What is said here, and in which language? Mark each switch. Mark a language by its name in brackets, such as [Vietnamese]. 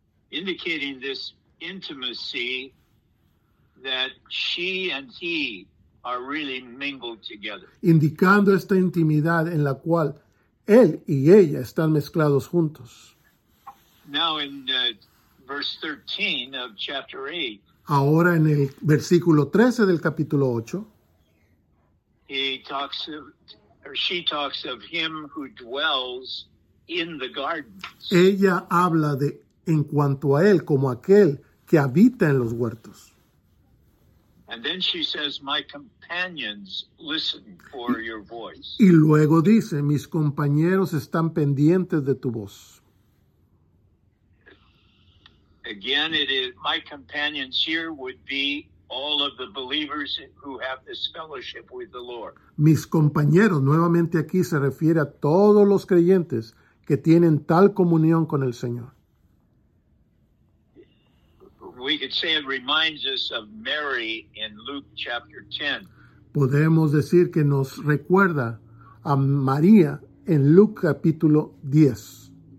[English] Indicating this intimacy that she and he are really mingled together. [Spanish] Indicando esta intimidad en la cual él y ella están mezclados juntos. [English] Now in verse 13 of chapter 8. [Spanish] Ahora en el versículo 13 del capítulo 8. [English] He talks of... Or she talks of him who dwells in the gardens. [Spanish] Ella habla de, en cuanto a él, como aquel que habita en los huertos. [English] And then she says, my companions listen for your voice. [Spanish] Y luego dice, mis compañeros están pendientes de tu voz. [English] Again, it is, my companions here would be all of the believers who have this fellowship with the Lord. [Spanish] Mis compañeros, nuevamente aquí se refiere a todos los creyentes que tienen tal comunión con el Señor. [English] We could say it reminds us of Mary in Luke chapter 10. [Spanish] Podemos decir que nos recuerda a María en Luke capítulo 10.